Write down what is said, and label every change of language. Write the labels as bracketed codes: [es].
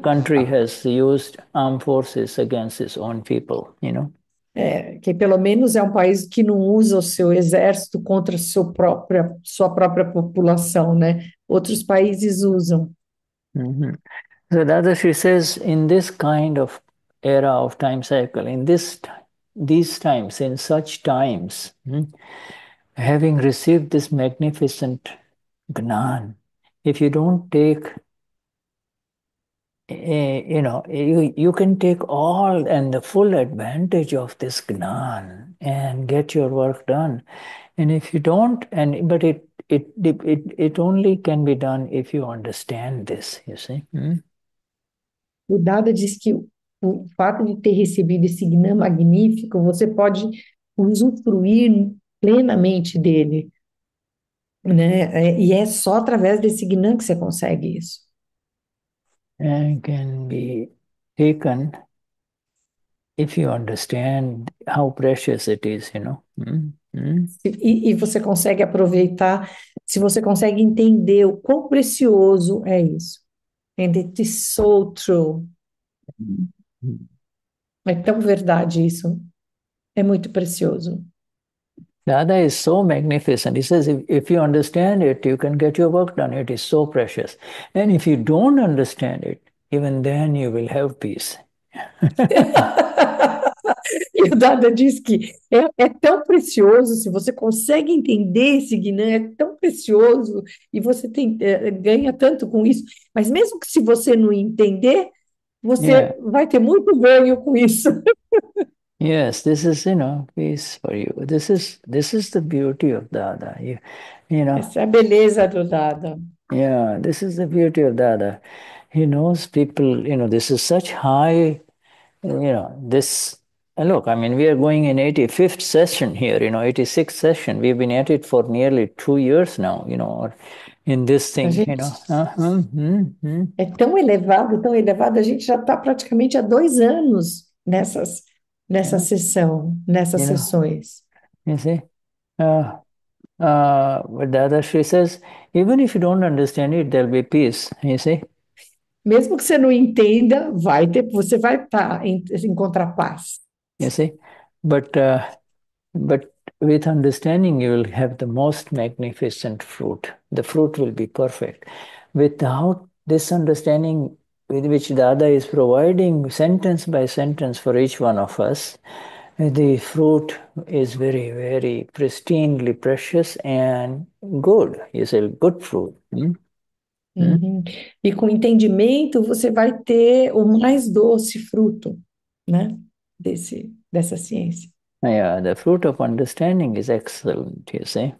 [en] country has used armed forces against its own people, you know. [pt] Que pelo menos é um país que não usa o seu exército contra sua própria população, né? Outros países usam. [en] So Dadashri says, in this kind of era of time cycle, in this time, these times, in such times, having received this magnificent gnan, if you don't take, you can take all and the full advantage of this gnan and get your work done. And if you don't, and but it only can be done if you understand this, you see. [pt] O Dada diz que o fato de ter recebido esse gnã magnífico, você pode usufruir plenamente dele, né? E é só através desse gnã que você consegue isso. [en] And can be taken if you understand how precious it is, you know. [pt] E você consegue aproveitar, se você consegue entender o quão precioso é isso. [en] And it is so true. [pt] É tão verdade isso. É muito precioso. [en] Dada is so magnificent. He says, if you understand it, you can get your work done. It is so precious. And if you don't understand it, even then you will have peace. [pt] E o Dada diz que é tão precioso, se você consegue entender esse Gnan, é tão precioso e você ganha tanto com isso. Mas mesmo que se você não entender, você [en] Yeah. [pt] vai ter muito ganho com isso. [en] Yes, this is, peace for you. This is the beauty of Dada. [pt] Essa é a beleza do Dada. [en] This is the beauty of Dada. He knows people, this is such high, this, look, I mean, we are going in 85th session here, 86th session. We've been at it for nearly 2 years now, or in this [pt] A [en] thing, [pt] gente Uhum. é tão elevado, a gente já está praticamente há 2 anos nessa [en] Yeah. [pt] sessão, nessas sessões. [en] You see? But Dadashri says, even if you don't understand it, there'll be peace, you see? [pt] Mesmo que você não entenda, você vai encontrar paz. [en] You see? But with understanding, you will have the most magnificent fruit. The fruit will be perfect. Without this understanding, with which Dada is providing sentence by sentence for each one of us, the fruit is very, very pristinely precious and good. You say good fruit. [pt] E com entendimento, você vai ter o mais doce fruto, né? Dessa ciência. [en] Yeah, the fruit of understanding is excellent, you see.